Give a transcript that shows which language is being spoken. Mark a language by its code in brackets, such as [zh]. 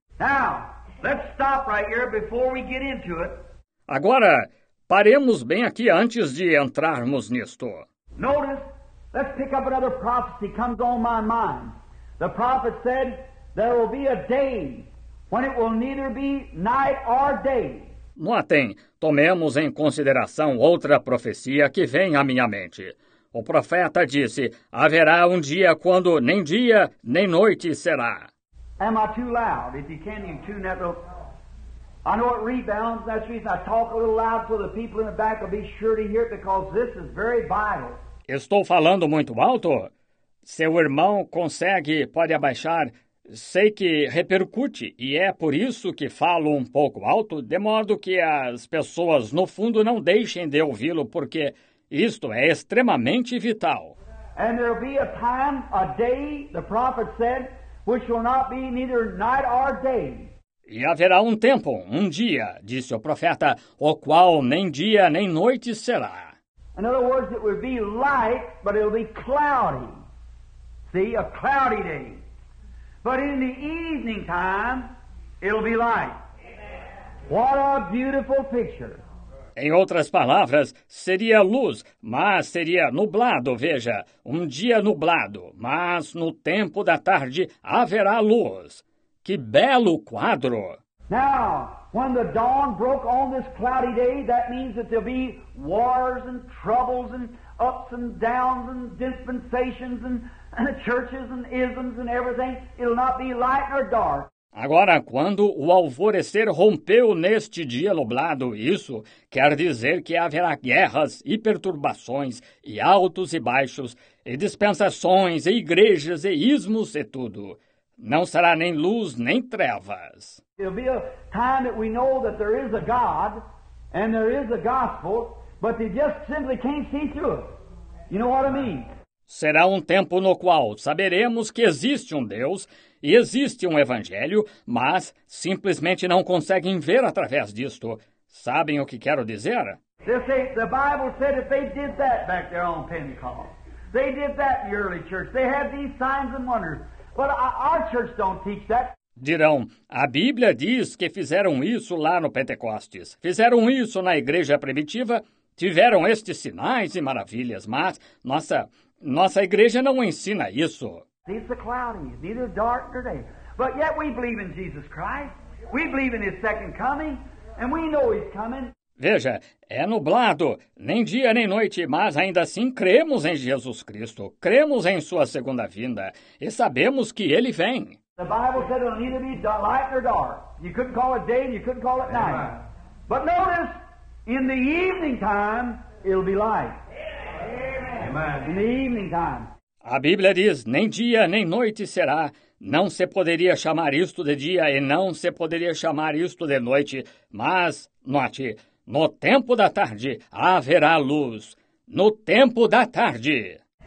[en] Now, let's stop right here before we get into it. [pt] Agora, paremos bem aqui antes de entrarmos nisto. [en] Notice, let's pick up another prophecy comes on my mind. The prophet said, there will be a day when it will neither be night or day. [pt] Notem, tomemos em consideração outra profecia que vem à minha mente. O profeta disse, haverá um dia quando nem dia nem noite será. [en] Am I too loud? If you can't even tune that little... I know it rebounds, that's the reason I talk a little loud so the people in the back will be sure to hear it because this is very vital. [pt] Estou falando muito alto? Seu irmão consegue, pode abaixar... Sei que repercute, e é por isso que falo um pouco alto, de modo que as pessoas, no fundo, não deixem de ouvi-lo, porque isto é extremamente vital. [en] And there will be a time, a day, the prophet said, which will not be neither night or day. [pt] E haverá um tempo, um dia, disse o profeta, o qual nem dia nem noite será. [en] In other words, it will be light, but it will be cloudy. See, a cloudy day. But in the evening time, it'll be light. What a beautiful picture. [pt] Em outras palavras, seria luz, mas seria nublado, veja, um dia nublado, mas no tempo da tarde haverá luz. Que belo quadro! [en] Now, when the dawn broke on this cloudy day, that means that there'll be wars and troubles and ups and downs and dispensations and churches and isms and everything. It'll not be light nor dark. [pt] Agora, quando o alvorecer rompeu neste dia nublado, isso quer dizer que haverá guerras e perturbações e altos e baixos e dispensações e igrejas e ismos e tudo. Não será nem luz nem trevas. [en] It'll be a time that we know that there is a God and there is a gospel, but they just simply can't see through it. You know what I mean? [pt] Será um tempo no qual saberemos que existe um Deus e existe um Evangelho, mas simplesmente não conseguem ver através disto. Sabem o que quero dizer? [en] The Bible said that they did that back there on Pentecost. They did that in the early church. They had these signs and wonders. But our church don't teach that. [pt] Dirão, a Bíblia diz que fizeram isso lá no Pentecostes. Fizeram isso na igreja primitiva, tiveram estes sinais e maravilhas, mas nossa igreja não ensina isso. [en] It's a cloudy, neither dark nor day. But yet we believe in Jesus Christ. We believe in His second coming, and we know He's coming. [pt] Veja, é nublado, nem dia nem noite, mas ainda assim cremos em Jesus Cristo. Cremos em Sua segunda vinda e sabemos que Ele vem. [en] The Bible said it'll neither be light nor dark. You couldn't call it day, and you couldn't call it night. But notice, in the evening time, it'll be light. Amen. In the evening time. [pt] A Bíblia diz, nem dia nem noite será, não se poderia chamar isto de dia e não se poderia chamar isto de noite, mas, note, no tempo da tarde haverá luz, no tempo da tarde.